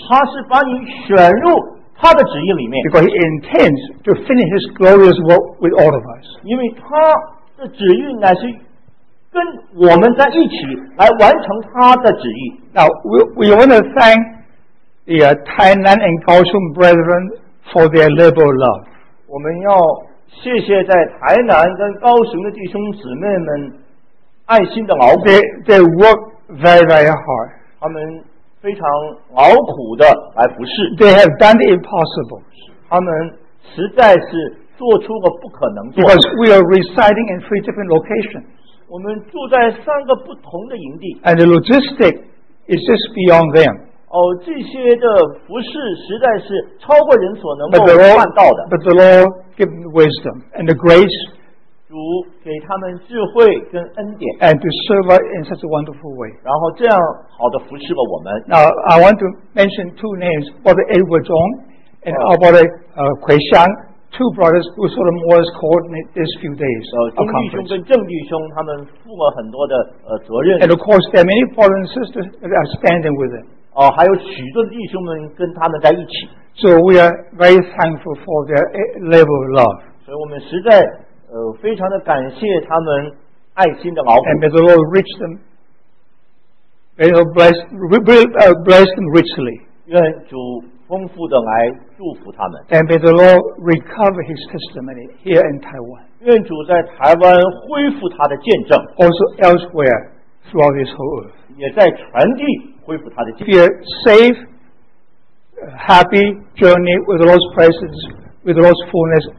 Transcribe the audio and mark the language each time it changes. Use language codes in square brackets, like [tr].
[zh] 他是把你选入他的旨意里面。 [en] Because he intends to finish his glorious work with all of us. [zh] 因为他的旨意乃是跟我们在一起来完成他的旨意。 [en] Now we want to thank the Tainan and Kaohsiung brethren for their liberal love. [zh] 我们要谢谢在台南跟高雄的弟兄姊妹们爱心的劳苦。 [en] They work very very hard. [zh] 他们非常劳苦的来服侍。 [en] They have done the impossible. [zh] 他们实在是做出个不可能做。 [en] Because we are residing in three different locations. [zh] 我们住在三个不同的营地。 [en] And the logistic is just beyond them. [zh] 哦，这些的服侍实在是超过人所能够办到的。 [en] But the Lord gave them wisdom and the grace. [zh] 主给他们智慧跟恩典。 [en] And to serve in such a wonderful way. [zh] 然后这样好的服侍了我们。 [en] Now I want to mention two names, Brother Edward Zhong and Kui Xiang, two brothers who sort of was coordinate these few days. [zh] 钟弟兄跟郑弟兄他们负了很多的责任。 [en] And of course, there are many brothers and sisters that are standing with them. [zh] 还有许多弟兄们跟他们在一起。 [en] So we are very thankful for their labor of love. [zh] 所以我们实在非常的感谢他们爱心的劳苦。 [en] And may the Lord reach them. May the Lord bless them richly. [zh] 愿主丰富的来祝福他们。 [en] And may the Lord recover his testimony here in Taiwan. [zh] 愿主在台湾恢复他的见证。 [en] Also elsewhere throughout this whole earth. [zh] 也在传递恢复他的经历。 [en] Be a safe, happy journey with the Lord's presence, with the Lord's fullness.